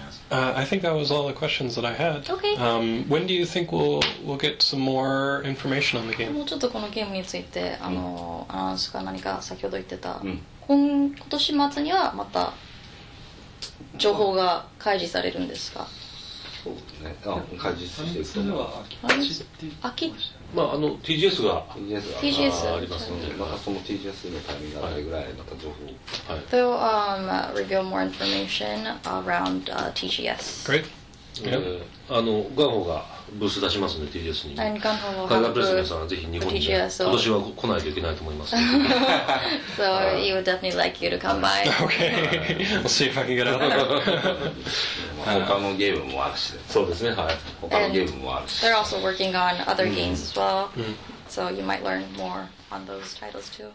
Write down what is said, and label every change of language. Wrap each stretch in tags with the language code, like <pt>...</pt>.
<en>I think that was all the questions that I had. Okay. When do you think we'll get some more information on the game?</en> <ja>もうちょっとこのゲームについてあの、アナウンスか何か先ほど言ってた、今年末にはまた情報が開示されるんですか？そうね。開示する。まああの TGS が、 TGS がありますので、まあその TGS のタイミングあたりぐらいまた情報。</ja> <en>はい。So reveal more information around TGS. Great.</en> <ja>あのガンホがブース出しますので TGS に。</ja> <en>And Gunho will have a booth.</en> <ja>海外プレスの皆さんはぜひ日本に今年は来ないといけないと思います。</ja> <en>So he would definitely like you to come by. Okay. See if I can get out.</en> <ja>他のゲームもあるし。そうですね。はい。他のゲームもあるし。</ja> <en>They're also working on other games as well. So you might learn more on those titles too.</en>